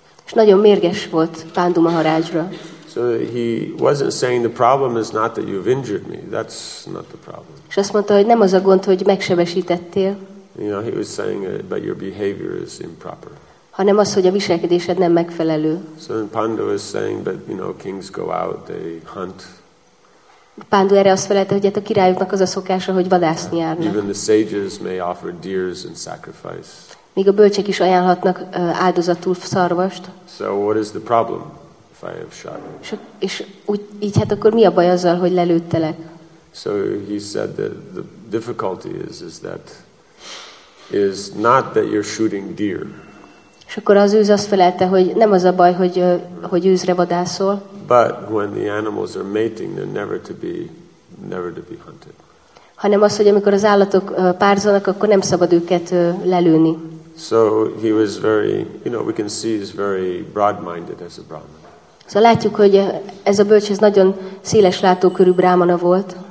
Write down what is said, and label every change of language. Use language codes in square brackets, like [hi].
[hu] És nagyon mérges volt Pandu Maharajra. [en] So he wasn't saying the problem is not that you've injured me. That's not the problem. [hu] És azt mondta, hogy nem az a gond, hogy megsebesítettél. [en] You know, he was saying that your behavior is improper. [hu] Hanem az, hogy a viselkedésed nem megfelelő. [en] So Pandu is saying, but you know, kings go out, they hunt. [hu] Pandu erre azt felelte, hogy hát a királyoknak az a szokása, hogy vadászni járnak. [en] Even the sages may offer deers in sacrifice. [hu] Még a bölcsek is ajánlhatnak áldozatul szarvast. [en] So what is the problem if I have shot? [hu] És úgy, így hát akkor mi a baj azzal, hogy lelőttelek? [en] So he said that the difficulty is not that you're shooting deer. [hu] És akkor az őz azt felelte, hogy nem az a baj, hogy őzre vadászol. [en] But when the animals are mating, they're never to be hunted. [hu] Hanem az, hogy amikor az állatok párzolnak, akkor nem szabad őket lelőni. [en] So he was very, you know, we can see he's very broad-minded as a brahmana. [hu] Szóval látjuk, hogy ez a bölcs, ez nagyon széles látókörű brámana volt.